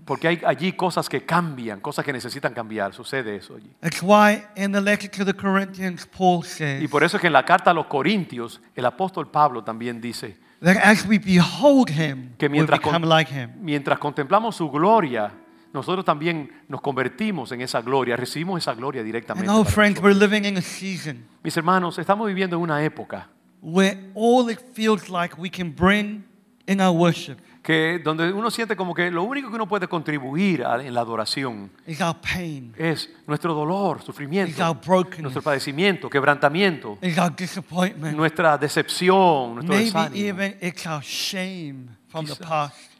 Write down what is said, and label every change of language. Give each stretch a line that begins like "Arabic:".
Spanish: Porque hay allí cosas que cambian, cosas que necesitan cambiar. Sucede eso allí.
English: That's why in the letter to the Corinthians, Paul says,
Spanish: y por eso es que en la carta a los Corintios, el apóstol Pablo también dice,
English: that as we behold him,
Spanish: que mientras,
English: we'll become like him.
Spanish: Mientras contemplamos su gloria, nosotros también nos convertimos en esa gloria, recibimos esa gloria directamente.
English: And no, friends, we're living in a season.
Spanish: Mis hermanos, estamos viviendo en una época
English: where all it feels like we can bring in our worship.
Spanish: Que donde uno siente como que lo único que uno puede contribuir en la adoración
English: is our pain.
Spanish: Es nuestro dolor, sufrimiento,
English: is our brokenness.
Spanish: Nuestro padecimiento, quebrantamiento,
English: is our disappointment.
Spanish: Nuestra decepción, nuestro
English: maybe
Spanish: desánimo.
English: Even it's our shame from
Spanish: quizás
English: the past.